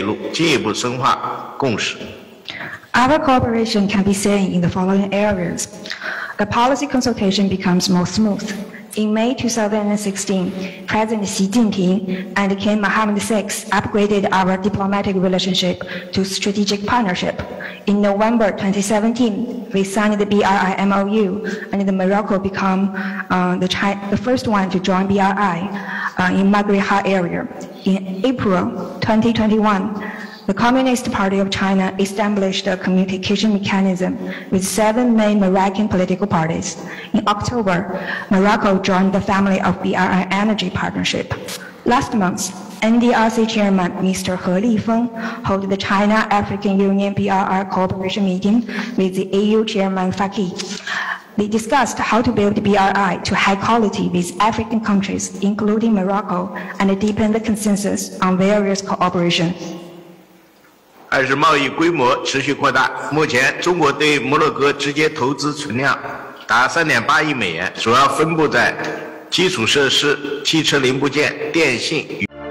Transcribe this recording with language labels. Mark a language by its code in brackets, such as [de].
[zh] 10月，摩方加入了“一带一路”能源合作伙伴关系，成为共建“一带一路”能源合作大家庭的一员。上个月，中国国家发改委何立峰主任与非盟委员会法基主席以视频连线形式出席中国非盟共建“一带一路”合作工作协调机制第一次会议，共同探讨中国同包括摩洛哥在内的非洲国家高质量共建“一带一路”，进一步深化共识。 [en] Our cooperation can be seen in the following areas. The policy consultation becomes more smooth. In May 2016, President Xi Jinping and King Mohammed VI upgraded our diplomatic relationship to strategic partnership. In November 2017, we signed the BRI MOU, and the Morocco became the first one to join BRI in Maghreb Har area. In April 2021, the Communist Party of China established a communication mechanism with seven main Moroccan political parties. In October, Morocco joined the family of BRI Energy Partnership. Last month, NDRC Chairman Mr. He Lifeng held the China-African Union BRI Cooperation Meeting with the EU Chairman Faki. They discussed how to build BRI to high quality with African countries, including Morocco, and deepen the consensus on various cooperation. [zh] 二是贸易规模持续扩大，目前中国对摩洛哥直接投资存量达 3.8 亿美元，主要分布在基础设施、汽车零部件、电信。